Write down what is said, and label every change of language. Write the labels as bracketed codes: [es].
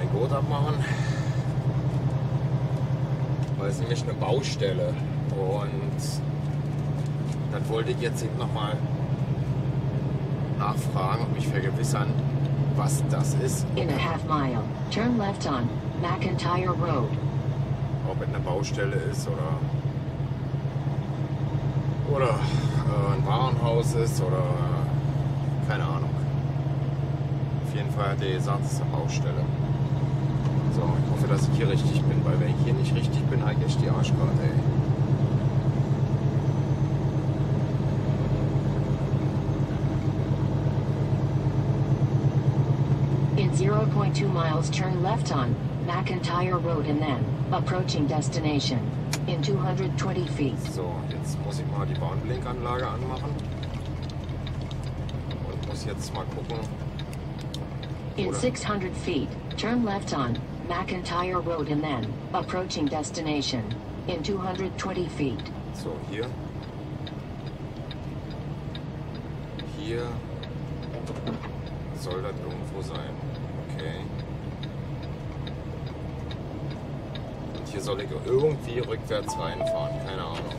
[de] Abmachen, weil es nämlich eine Baustelle und das wollte ich jetzt eben noch mal nachfragen und mich vergewissern, was das ist. [en] In a half mile, turn left on McIntyre Road. [de] Ob es eine Baustelle ist oder ein Warenhaus ist oder keine Ahnung. Auf jeden Fall hat er gesagt, es ist eine Baustelle. So, ich hoffe, dass ich hier richtig bin, weil wenn ich hier nicht richtig bin, halt echt die Arschkarte, ey. [en] In 0.2 miles, turn left on McIntyre Road and then approaching destination in 220 feet. [de] So, jetzt muss ich mal die Warnblinkanlage anmachen. Und muss jetzt mal gucken. [en] In 600 feet, turn left on McIntyre Road and then approaching destination in 220 feet. [de] So, hier soll das irgendwo sein. Okay. Und hier soll ich irgendwie rückwärts reinfahren, keine Ahnung.